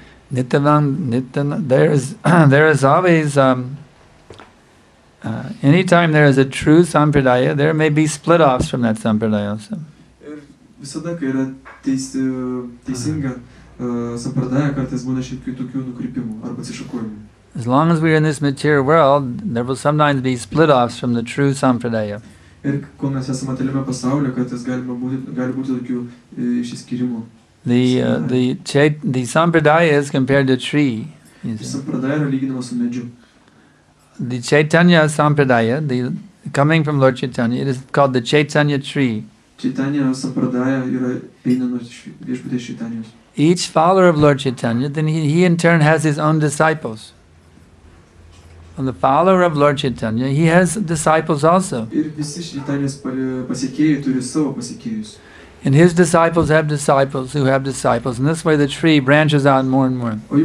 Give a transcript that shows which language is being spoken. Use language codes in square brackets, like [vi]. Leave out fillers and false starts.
[en] Anytime there is a true sampradaya, there may be split offs from that sampradaya also. [lt] Ir visada, kai yra teisinga sampradaya, kartais būna šiek tiek tokių nukrypimų arba atsišakojimų. [en] As long as we are in this material world, there will sometimes be split offs from the true sampradaya. [lt] Ir kol mes esame materialiame pasaulyje, kartais gali būti tokių išsiskyrimų. [en] The sampradaya is compared to tree. [lt] Sampradaya yra lyginama su medžiu. [en] The Chaitanya sampradaya, the coming from Lord Chaitanya, it is called the Chaitanya tree. [lt] Chaitanya sampradaya yra eina nuo viešpaties Chaitanyos. [en] Each follower of Lord Chaitanya, then he in turn has his own disciples. And the follower of Lord Chaitanya, he has disciples also. [lt] Ir visi Chaitanyos pasekėjai turi savo pasekėjus. [en] And his disciples have disciples who have disciples. And this way the tree branches out more and more.